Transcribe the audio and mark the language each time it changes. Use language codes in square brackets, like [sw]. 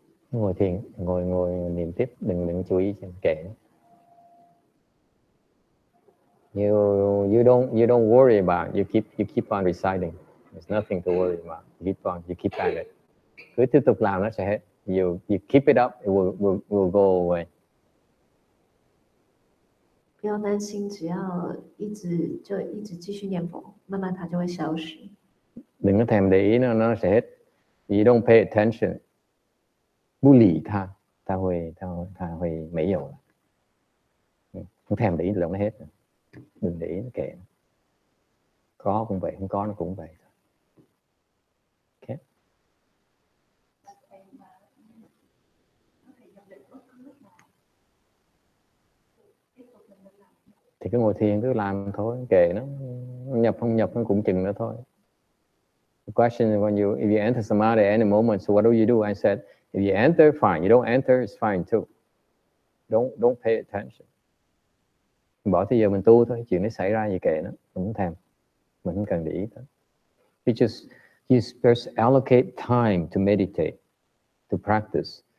[vi] Ngồi thiền, ngồi niệm tiếp, đừng chú ý xem kệ. [en] You don't worry about, you keep on reciting. There's nothing to worry about. You keep at it. [vi] Cứ tiếp tục làm nó sẽ hết. [en] You keep it up, it will go away. [zh] 不要担心，只要一直就一直继续念佛，慢慢它就会消失。 [vi] Đừng có thèm để ý nó, nó sẽ hết. [en] You don't pay attention. [vi] Bù lì tha, ta hồi mấy dầu. Không thèm để ý là nó hết. Đừng để ý nó kệ. Có cũng vậy, không có nó cũng vậy. Ok. Thì cứ ngồi thiền, cứ làm thôi, kệ nó. Nhập không nhập, nó cũng chừng nó thôi. [en] The question is if you enter samadhi at any moment, so what do you do? I said, if you enter, fine. You don't enter, it's fine too. Don't pay attention. [vi] Bỏ tới giờ mình tu thôi, chuyện nó xảy ra gì kệ nó, mình không thèm. Mình không cần để ý thôi. [en] You just allocate time to meditate, to practice.